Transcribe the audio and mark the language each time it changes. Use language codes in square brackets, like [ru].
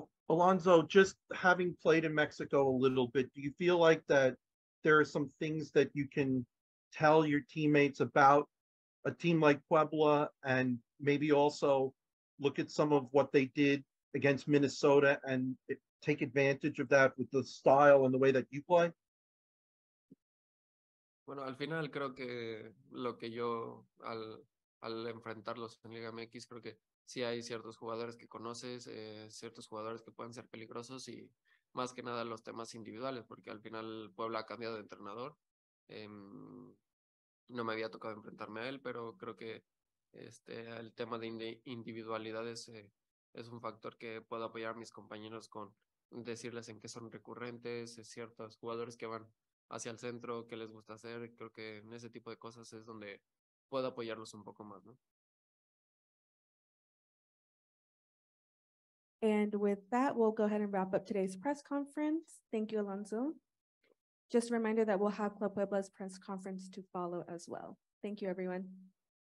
[en] Alonso, just having played in Mexico a little bit, do you feel like that there are some things that you can tell your teammates about a team like Puebla and maybe also look at some of what they did against Minnesota and take advantage of that with the style and the way that you play? [es] Bueno, al final creo que lo que yo al enfrentarlos en Liga MX, creo que sí hay ciertos jugadores que conoces, ciertos jugadores que pueden ser peligrosos y más que nada los temas individuales, porque al final Puebla ha cambiado de entrenador. No me había tocado enfrentarme a él, pero creo que el tema de individualidades es un factor que puedo apoyar a mis compañeros con decirles en qué son recurrentes, ciertos jugadores que van hacia el centro, qué les gusta hacer. Creo que en ese tipo de cosas es donde puedo apoyarlos un poco más, ¿no? [en] And with that, we'll go ahead and wrap up today's press conference. Thank you, Alonso. Just a reminder that we'll have Club Puebla's press conference to follow as well. Thank you, everyone.